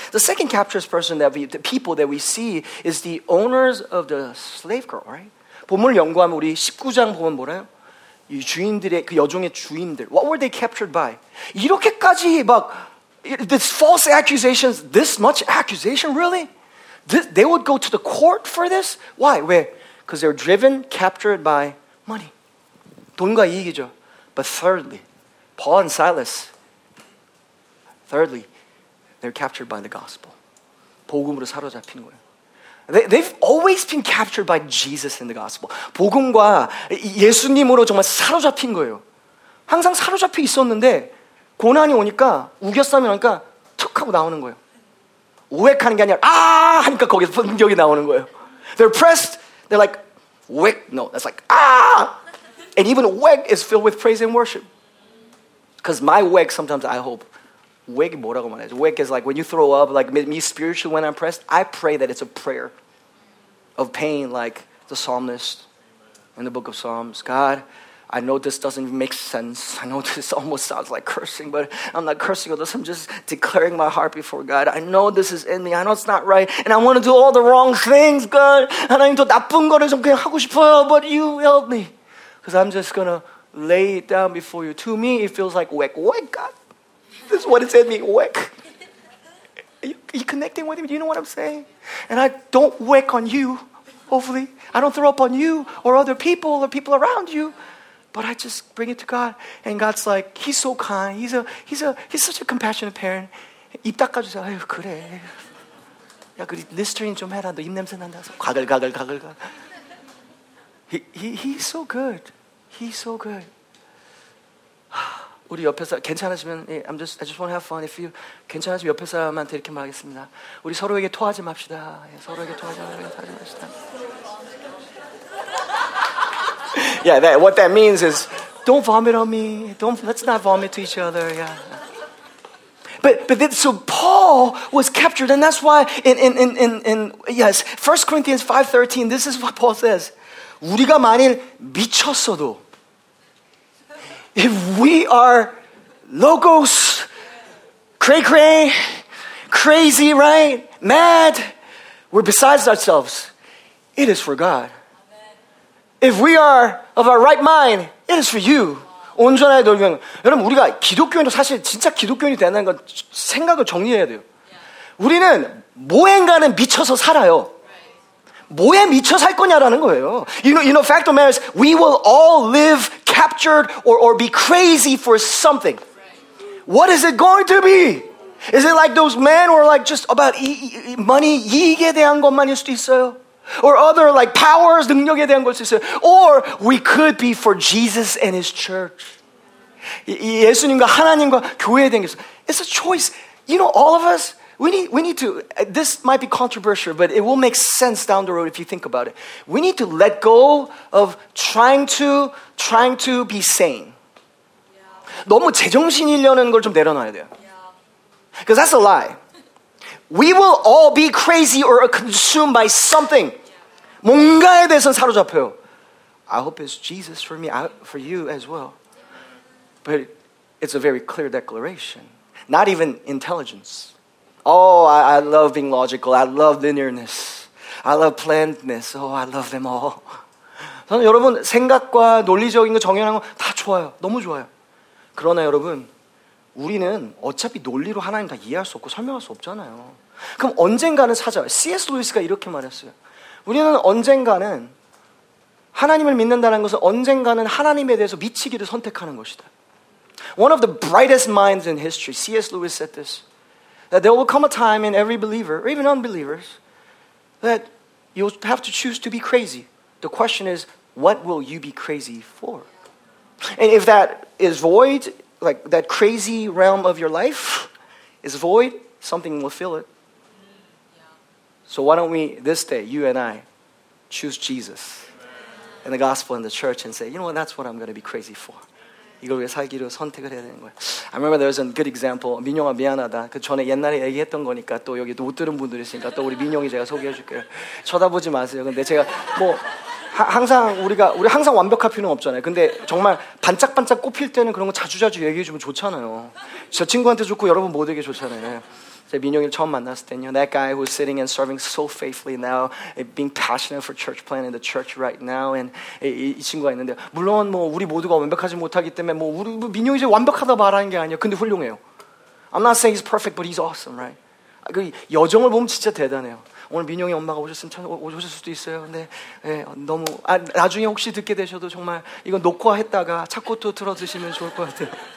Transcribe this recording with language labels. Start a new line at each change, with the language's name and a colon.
English: The second captured person that we see is the owners of the slave girl, right?
Korean: 본문을 연구하면 우리 19장 보면 뭐라요? 이 주인들의 그 여종의 주인들.
English: What were they captured by?
Korean: 이렇게까지 막
English: this false accusations, this much accusation, really? They would go to the court for this? Why?
Korean: 왜?
English: Because they were driven, captured by money.
Korean: 돈과 이익이죠.
English: But thirdly, Paul and Silas. Thirdly. They're captured by the gospel.
Korean: 복음으로 사로잡힌 거예요.
English: They've always been captured by Jesus in the gospel.
Korean: 복음과 예수님으로 정말 사로잡힌 거예요. 항상 사로잡혀 있었는데 고난이 오니까 우겨싸면 하니까 툭 하고 나오는 거예요. 우웩하는 게 아니라 아 하니까 거기서 분격이 나오는 거예요.
English: They're pressed. They're like, wick. No, that's like, ah. And even wick is filled with praise and worship. Because my wick, sometimes I hope.
Korean: Wick이 뭐라고 말해야지?
English: Wick is like when you throw up, like me spiritually when I'm pressed, I pray that it's a prayer of pain, like the psalmist in the book of Psalms. God, I know this doesn't make sense. I know this almost sounds like cursing, but I'm not cursing with this. I'm just declaring my heart before God. I know this is in me. I know it's not right. And I want to do all the wrong things, God.
Korean: 하나님 더 나쁜 거를 좀 그냥 하고 싶어요.
English: But you help me. Because I'm just going to lay it down before you. To me, it feels like, wick, wick, God. This is what it's in me, wick. Are you connecting with me? Do you know what I'm saying? And I don't wick on you, hopefully. I don't throw up on you or other people or people around you. But I just bring it to God. And God's like, he's so kind. He's such a compassionate parent.
Korean: 입 닦아주세요. 아유, 그래. 야, 그리 리스트링 좀 해라. 너 입냄새 난다. 가글, 가글, 가글, 가글.
English: He's so good. He's so good.
Korean: 우리 옆에서 괜찮으시면,
English: I just want to have fun. If you
Korean: 괜찮으시면 옆에 사람한테 이렇게 말하겠습니다. 우리 서로에게 토하지 맙시다. 서로에게 토하지 맙시다.
English: Yeah, that, what that means is, don't vomit on me. Let's not vomit to each other. Yeah. So Paul was captured, and that's why in 1 Corinthians 5:13, this is what Paul says.
Korean: 우리가 만일 미쳤어도,
English: if we are logos, cray cray, crazy, right? Mad, we're besides ourselves. It is for God. If we are of our right mind, it is for you.
Korean: 온전하게 돌면 여러분 우리가 기독교인도 사실 진짜 기독교인이 된다는 건 생각을 정리해야 돼요. 우리는 뭐인가는 미쳐서 살아요. 뭐에 미쳐 살 거냐라는 거예요.
English: You know, fact of matter is we will all live captured or be crazy for something. What is it going to be? Is it like those men or like just about money?
Korean: 이익에 대한 것만일 수도 있어요.
English: Or other like powers,
Korean: 능력에 대한 것일 수 있어요.
English: Or we could be for Jesus and his church.
Korean: 예수님과 하나님과 교회에 대한 게 있어요.
English: It's a choice. You know, all of us, we need to, this might be controversial, but it will make sense down the road if you think about it. We need to let go of trying to be sane. Yeah.
Korean: 너무 제정신이려는 걸 좀 내려놔야 돼요.
English: Because that's a lie. We will all be crazy or consumed by something.
Korean: 뭔가에 대해서는 사로잡혀요.
English: I hope it's Jesus for me, for you as well. But it's a very clear declaration. Not even intelligence. Oh, I love being logical. I love linearness. I love plannedness. Oh, I love them all.
Korean: 저는 여러분 생각과 논리적인 거 정연한 거 다 좋아요. 너무 좋아요. 그러나 여러분 우리는 어차피 논리로 하나님 다 이해할 수 없고 설명할 수 없잖아요. 그럼 언젠가는 찾아요. C.S. 루이스가 이렇게 말했어요. 우리는 언젠가는 하나님을 믿는다는 것은 언젠가는 하나님에 대해서 미치기를 선택하는 것이다.
English: One of the brightest minds in history, C.S. Lewis said this. That there will come a time in every believer, or even unbelievers, that you'll have to choose to be crazy. The question is, what will you be crazy for? And if that is void, like that crazy realm of your life is void, something will fill it. So why don't we, this day, you and I, choose Jesus and the gospel and the church and say, you know what, that's what I'm going to be crazy for.
Korean: 이걸 위해 살기로 선택을 해야 되는 거예요.
English: I remember there was a good example.
Korean: 민용아 미안하다. 그 전에 옛날에 얘기했던 거니까 또 여기 못 들은 분들이 있으니까 또 우리 민용이 제가 소개해 줄게요. 쳐다보지 마세요. 근데 제가 뭐 우리 항상 완벽할 필요는 없잖아요. 근데 정말 반짝반짝 꼽힐 때는 그런 거 자주자주 얘기해 주면 좋잖아요. 저 친구한테 좋고 여러분 모두에게 좋잖아요. 제가 민용이를 처음 만났을 때는요.
English: That guy who's sitting and serving so faithfully now, being passionate for church plan and the church right now, and
Korean: 이 친구가 있는데 물론 뭐 우리 모두가 완벽하지 못하기 때문에 뭐 우리 뭐 민용이 이제 완벽하다 말하는 게 아니에요. 근데 훌륭해요.
English: I'm not saying he's perfect, but he's awesome, right?
Korean: 그 여정을 보면 진짜 대단해요. 오늘 민용이 엄마가 오셨을 수도 있어요. 근데 예, 너무 나중에 혹시 듣게 되셔도 정말 이건 녹화했다가 찾고 또 들어주시면 좋을 것 같아요.